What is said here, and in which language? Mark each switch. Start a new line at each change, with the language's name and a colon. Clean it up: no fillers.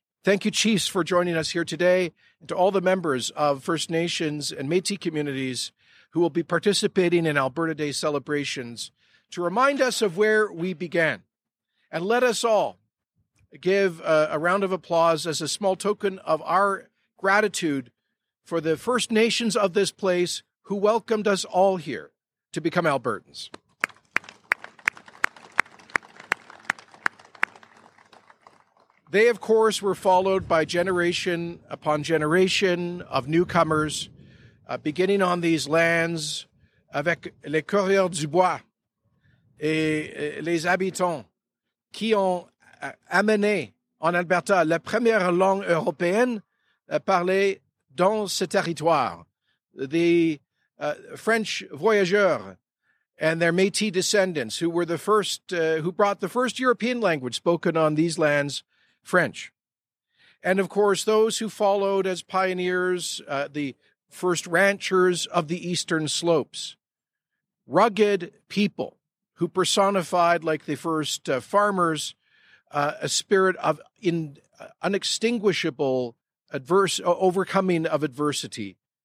English: Thank you, Chiefs, for joining us here today, and to all the members of First Nations and Métis communities who will be participating in Alberta Day celebrations to remind us of where we began. And let us all give a round of applause as a small token of our gratitude for the First Nations of this place who welcomed us all here to become Albertans. They, of course, were followed by generation upon generation of newcomers, beginning on these lands
French: avec les coureurs du bois et les habitants qui ont amené en Alberta la première langue européenne parlée dans ce territoire.
English: The French voyageurs and their Métis descendants who were the first, who brought the first European language spoken on these lands, French. And of course, those who followed as pioneers, the first ranchers of the Eastern Slopes, rugged people who personified, like the first farmers, a spirit of unextinguishable overcoming of adversity.